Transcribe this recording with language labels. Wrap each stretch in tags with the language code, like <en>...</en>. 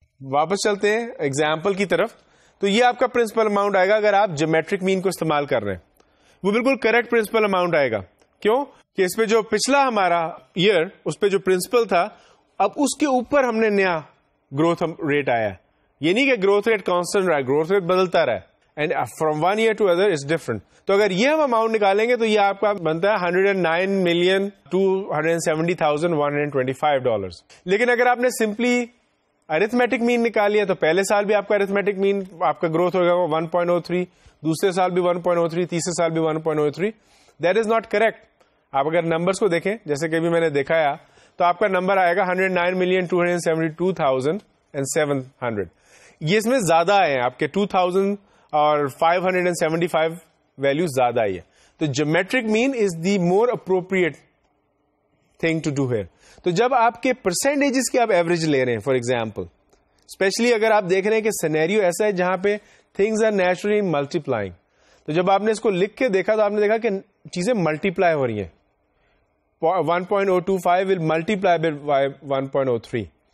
<ur>واپس چلتے ہیں ایگزامپل کی طرف, تو یہ آپ کا پرنسپل اماؤنٹ آئے گا اگر آپ جیومیٹرک مین کو استعمال کر رہے ہیں. وہ بالکل کریکٹ پرنسپل اماؤنٹ آئے گا. کیوں؟ کہ اس پہ جو پچھلا ہمارا ایئر اس پہ جو پرنسپل تھا اب اس کے اوپر ہم نے نیا گروتھ ریٹ آیا. یہ نہیں کہ گروتھ ریٹ کانسٹنٹ رہا, گروتھ ریٹ بدلتا رہا ہے.</ur> <en>And from one year to other is different.</en> <ur>تو اگر یہ ہم اماؤنٹ نکالیں گے تو یہ آپ کا بنتا ہے 109,270,125. لیکن اگر آپ نے سمپلی ارتھمیٹک مین نکال لیا تو پہلے سال بھی آپ کا ارتھمیٹک مین آپ کا گروتھ ہوگا 1.03, دوسرے سال بھی 1.03, تیسرے سال بھی 1.03.</ur> <en>That is not correct.</en> <ur>آپ اگر نمبرس کو دیکھیں, جیسے کہ ابھی میں نے دکھایا, تو آپ کا نمبر آئے گا 109,272,700. یہ اس میں زیادہ آئے ہیں, آپ کے 2,000 اور 575 ویلیوز زیادہ آئی ہے.</ur> <en>تو geometric mean is the more appropriate thing to do here.</en> <ur>تو جب آپ کے پرسینٹیجز کی آپ ایوریج لے رہے ہیں, فار ایگزامپل اسپیشلی اگر آپ دیکھ رہے ہیں کہ سینیریو ایسا ہے جہاں پہ</ur> <en>things are naturally multiplying,</en> <ur>تو جب آپ نے اس کو لکھ کے دیکھا تو آپ نے دیکھا کہ چیزیں ملٹی پلائی ہو رہی ہیں.</ur> <en>1.025 will multiply by 1.03.</en>